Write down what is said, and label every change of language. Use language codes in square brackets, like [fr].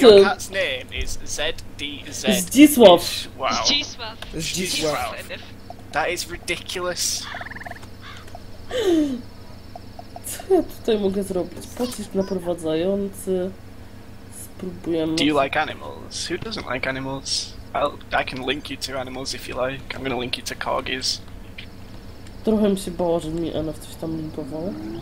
[en] So your cat's name is ZDZ. Zdzisław. Wow. Zdzisław. That is ridiculous. [pl] Co ja tutaj mogę zrobić? Pocisk naprowadzający. Spróbujemy. [en] Do you like animals? Who doesn't like animals? I can link you to animals if you like. I'm gonna link you to corgis. [pl] Trochę mi się bało, że mi NF coś tam linkował.